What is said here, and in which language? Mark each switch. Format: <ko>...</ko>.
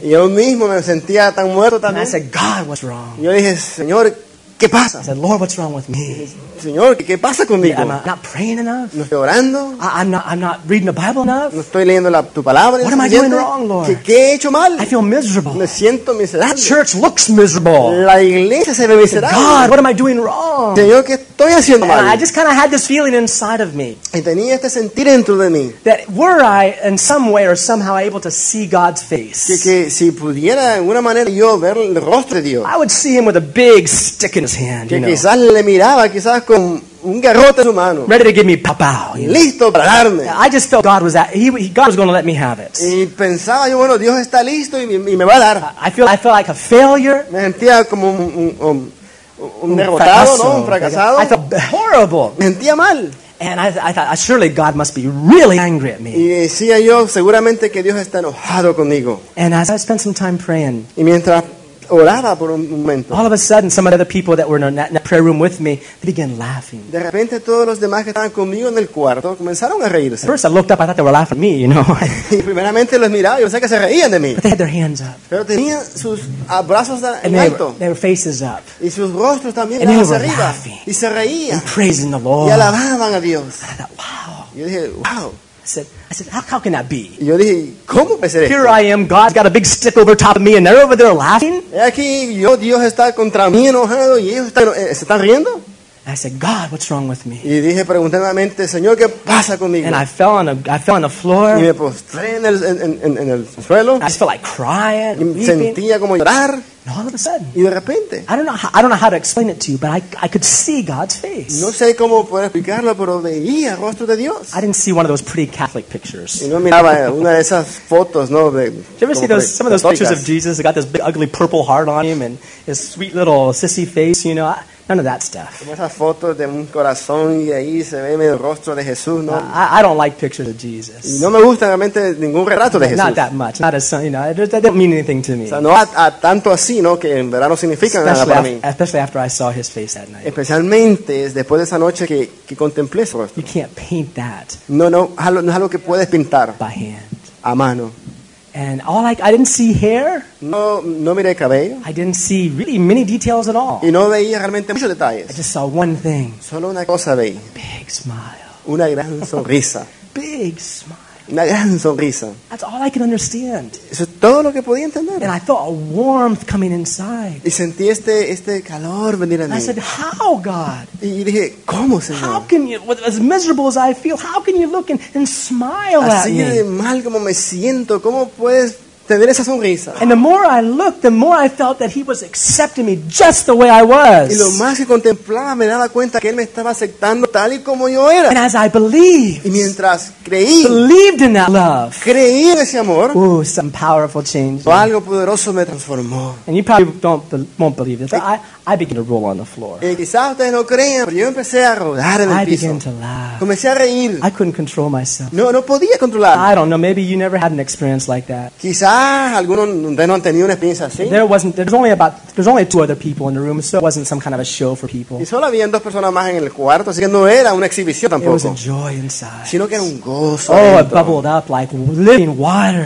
<es>Y yo mismo me sentía tan muerto también.</es> <en>And I said, God, what's wrong?</en> <es>Yo dije, Señor, ¿qué pasa?</es> <en>I said, Lord, what's wrong with me?</en> <es>Señor, ¿qué pasa conmigo?</es> <en>Am I not praying enough?</en> <es>¿No estoy orando?</es> <en>I'm not reading the Bible enough?</en> <es>¿No estoy leyendo tu palabra?</es> <en>What am I doing wrong, Lord?</en> <es>¿Qué he hecho mal?</es> <en>I feel miserable.</en> <es>Me siento miserable.</es> <en>The church looks miserable.</en> <es>La iglesia se ve miserable.</es> <en>God, what am I doing wrong?</en> <es>Señor, ¿qué estoy haciendo mal?</es> <en>I just kind of had this feeling inside of me.</en> <es>Y tenía este sentir dentro de mí.</es> <en>That were I in some way or somehow able to see God's face.</en> <es>Que si pudiera de alguna manera yo ver el rostro de Dios.</es> <en>I would see him with a big stick in hand,</en> <es>que quizás le miraba, quizás con un garrote en su mano.</es> <en>Ready to give me papao,</en> <es>listo para darme.</es> <en>I just felt God was God was going to let me have it.</en> <es>Y pensaba yo, bueno, Dios está listo y me va a dar.</es> <en>I feel like a failure.</en> <es>Me sentía como un derrotado, fracaso, ¿no? Un fracasado.</es> <en>I felt horrible.</en> <es>Me sentía mal.</es> <en>And I thought, surely God must be really angry at me.</en> <es>Y decía yo, seguramente que Dios está enojado conmigo.</es> <en>And as I spent some time praying.</en> <es>Y mientras oraba por un momento.</es> <en>All of a sudden, some of the other people that were in that prayer room with me, they began laughing.</en> <es>De repente, todos los demás que estaban conmigo en el cuarto comenzaron a reírse.</es> <en>First, I looked up, I thought they were laughing at me, you know.</en> <es>Y primeramente los miraba, yo pensé que se reían de mí.</es> <en>But they had their hands up.</en> <es>Pero tenían sus brazos en alto.</es> <en>And their faces up.</en> <es>Y sus rostros también.</es> <en>And they were</en> <es>arriba.</es> <en>Laughing.</en> <es>Y se reían.</es> <en>And praising the Lord.</en> <es>Y alababan a Dios.</es> <en>And I thought, wow.</en> <es>Yo dije, wow.</es> <en>I said, how can that be?</en> <es>Yo dije, ¿cómo puede ser esto?</es> <en>Here I am, God's got a big stick over top of me, and they're over there laughing.</en> <es>Y aquí yo, Dios está contra mí enojado y ellos se están riendo.</es> <en>I said, God, what's wrong with me?</en> <es>Y dije, pregunté nuevamente, Señor, ¿qué pasa conmigo?</es> <en>And I fell on the floor.</en> <es>Y me postré en el suelo.</es> <en>I just felt like crying.</en> <es>Sentía como llorar.</es> <en>And all of a sudden,</en> <es>y de repente,</es> <en>I don't know how to explain it to you, but I could see God's face.</en> <es>No sé cómo poder explicarlo, pero veía el rostro de Dios.</es> <en>I didn't see one of those pretty Catholic pictures.</en> <es>Y no miraba una de esas fotos, ¿no?</es> <en>Did you ever see some of those pictures of Jesus that got this big ugly purple heart on him and his sweet little sissy face, you know? None of that stuff.</en> <es>Como esas fotos de un corazón y ahí se ve el rostro de Jesús, ¿no?</es> <en>I don't like pictures of Jesus.</en> <es>Y no me gusta realmente ningún retrato de Jesús.</es> <en>Not that much. Not as, you know, they don't mean anything to me.</en> <es>O sea, no a tanto así, ¿no? Que en verdad no significan</es> <en>especially</en> <es>nada para mí.</es> <en>Especially after I saw his face that night.</en> <es>Especialmente después de esa noche que contemplé su rostro.</es> <en>You can't paint that.</en> <es>No es algo que puedes pintar.</es> <en>By hand.</en> <es>A mano.</es> <en>And all I didn't see hair.</en> <es>No miré cabello.</es> <en>I didn't see really many details at all.</en> <es>Y no veía realmente muchos detalles.</es> <en>I just saw one thing.</en> <es>Solo una cosa veí.</es> <en>A big smile.</en> <es>Una gran sonrisa.</es> <en>Big smile.</en> <es>Una gran sonrisa.</es> <en>That's all I can understand.</en> <es>Eso es todo lo que podía entender.</es> <en>And I felt a warmth coming inside.</en> <es>Y sentí este calor venir a mí.</es> <en>I said, "How, God?"</en> <es>Y dije, ¿cómo, Señor?</es> <en>How can you, as miserable as I feel, how can you look and smile</en> <es>así</es> <en>at me?</en> <es>Así de mal como me siento, ¿cómo puedes tener esa sonrisa?</es> <en>And the more I looked, the more I felt that he was accepting me just the way I was.</en> <es>Y lo más que contemplaba me daba cuenta que él me estaba aceptando tal y como yo era.</es> <en>And as I believed,</en> <es>y mientras creí,</es> <en>believed in that love,</en> <es>creí en ese amor,</es> <en>ooh, some powerful change.</en> <es>O algo poderoso me transformó.</es> <en>And you probably won't believe this, but I began to roll on the floor.</en> <es>Y quizás ustedes no crean, pero yo empecé a rodar en el</es> <en>I</en> <es>piso.</es> <en>I began to laugh.</en> <es>Comencé a reír.</es> <en>I couldn't control myself.</en> <es>No podía controlar.</es> <en>I don't know. Maybe you never had an experience like that.</en> <es>Quizás algunos de no han tenido una experiencia así.</es> <en>There's only two other people in the room, so it wasn't some kind of a show for people.</en> <es>Y solo habían dos personas más en el cuarto, así que no era una exhibición tampoco.</es> <en>It was a joy inside.</en> <es>Sino que era un gozo. Oh, adentro.</es> <en>It bubbled up like living water.</en>